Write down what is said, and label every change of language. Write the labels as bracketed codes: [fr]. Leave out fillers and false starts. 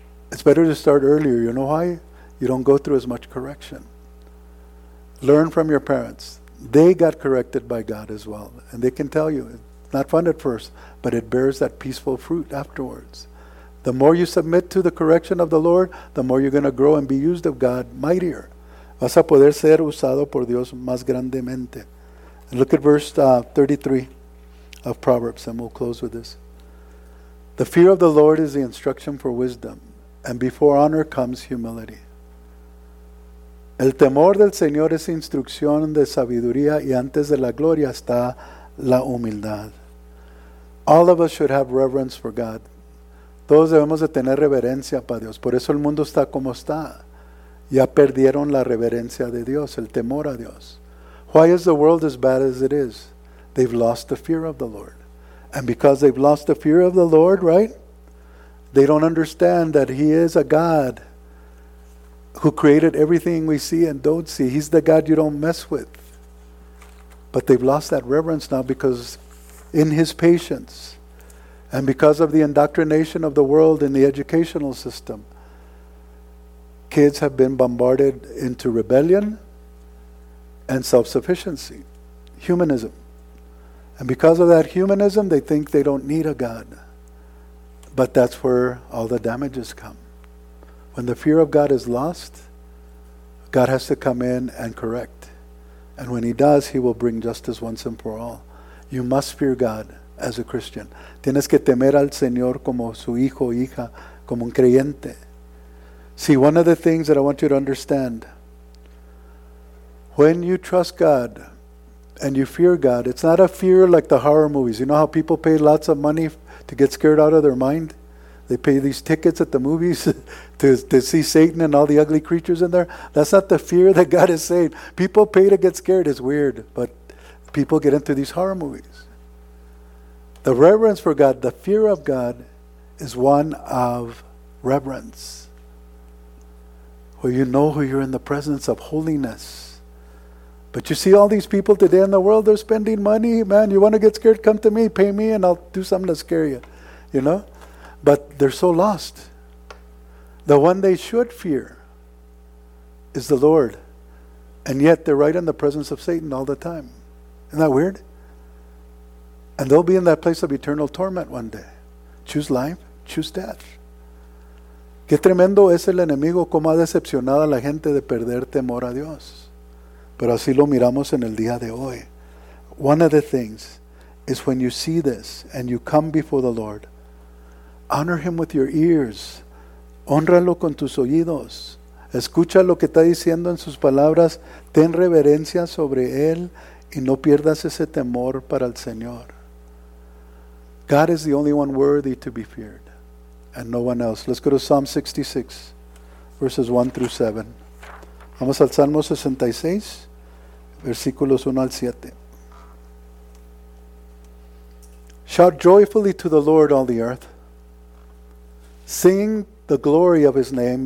[en] It's better to start earlier. You know why? You don't go through as much correction. Learn from your parents. They got corrected by God as well. And they can tell you, it's not fun at first, but it bears that peaceful fruit afterwards. The more you submit to the correction of the Lord, the more you're going to grow and be used of God mightier. [es] Vas a poder ser usado por Dios más grandemente. [en] And look at verse 33 of Proverbs, and we'll close with this. The fear of the Lord is the instruction for wisdom. And before honor comes humility. [es] El temor del Señor es instrucción de sabiduría y antes de la gloria está la humildad. [en] All of us should have reverence for God. [es] Todos debemos de tener reverencia para Dios. Por eso el mundo está como está. Ya perdieron la reverencia de Dios, el temor a Dios. [en] Why is the world as bad as it is? They've lost the fear of the Lord. And because they've lost the fear of the Lord, right? They don't understand that He is a God who created everything we see and don't see. He's the God you don't mess with. But they've lost that reverence now because in His patience and because of the indoctrination of the world in the educational system, kids have been bombarded into rebellion and self-sufficiency, humanism. And because of that humanism, they think they don't need a God. But that's where all the damages come. When the fear of God is lost, God has to come in and correct. And when He does, He will bring justice once and for all. You must fear God as a Christian. [es] Tienes que temer al Señor como su hijo o hija, como un creyente. [en] See, one of the things that I want you to understand, when you trust God and you fear God, it's not a fear like the horror movies. You know how people pay lots of money to get scared out of their mind? They pay these tickets at the movies to see Satan and all the ugly creatures in there. That's not the fear that God is saying. People pay to get scared. It's weird, but people get into these horror movies. The reverence for God, the fear of God, is one of reverence. Well, you know who you're in the presence of, holiness. But you see all these people today in the world, they're spending money. Man, you want to get scared? Come to me, pay me, and I'll do something to scare you. You know? But they're so lost. The one they should fear is the Lord. And yet they're right in the presence of Satan all the time. Isn't that weird? And they'll be in that place of eternal torment one day. Choose life, choose death. [es] Qué tremendo es el enemigo, cómo ha decepcionado a la gente de perder temor a Dios. Pero así lo miramos en el día de hoy. [en] One of the things is when you see this and you come before the Lord, honor Him with your ears. [es] Honralo con tus oídos. Escucha lo que está diciendo en sus palabras. Ten reverencia sobre Él y no pierdas ese temor para el Señor. [en] God is the only one worthy to be feared. And no one else. Let's go to Psalm 66, verses 1 through 7. [es] Vamos al Salmo 66, versículos 1 al 7. [en] Shout joyfully to the Lord, all the earth. Sing the glory of His name.